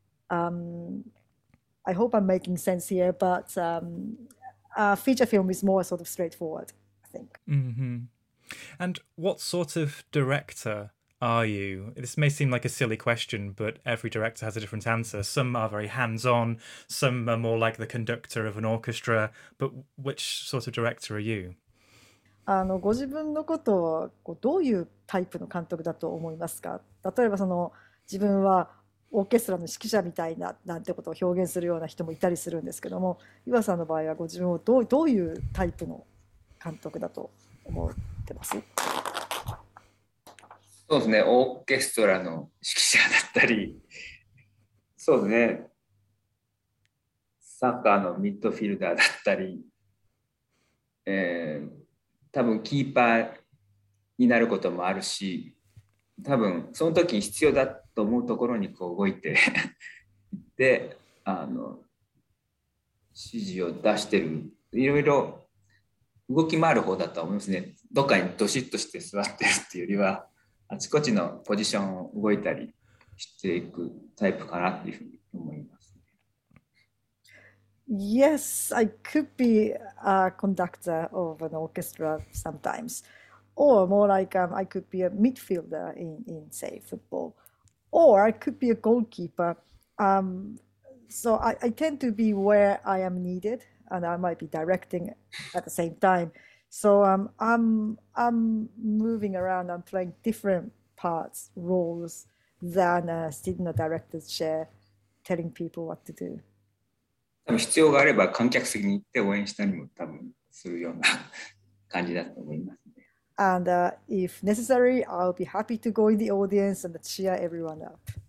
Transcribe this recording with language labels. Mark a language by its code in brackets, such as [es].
[en] I hope I'm making sense here, but feature film is more sort of straightforward, I think. Mm-hmm. And what sort of director are you? This may seem like a silly question, but every director has a different answer. Some are very hands-on, some are more like the conductor of an orchestra, but which sort of director are you? [ja] ご自分のことをどういうタイプの監督だと思いますか？例えばその自分はオーケストラの指揮者みたいななんてことを表現するような人もいたりするんですけども、岩さんの場合はご自分をどういうタイプの監督だと思ってます？そうですね、オーケストラの指揮者だったり、そうですね、サッカーのミッドフィルダーだったり、多分キーパーになることもあるし、多分その時に必要だと思うところにこう動いてで指示を出してる、いろいろ動き回る方だと思いますね。どっかにドシッとして座ってるっていうよりは、あちこちのポジションを動いたりしていくタイプかなっていうふうに思います。 [en] Yes, I could be a conductor of an orchestra sometimes, or more like I could be a midfielder in say football, or I could be a goalkeeper. So I tend to be where I am needed, and I might be directing at the same time. So I'm moving around, I'm playing different parts, roles than sitting in a director's chair, telling people what to do. [ja] 多分必要があれば観客席に行って応援したりも多分するような感じだと思いますね。 [en] And if necessary, I'll be happy to go in the audience and cheer everyone up.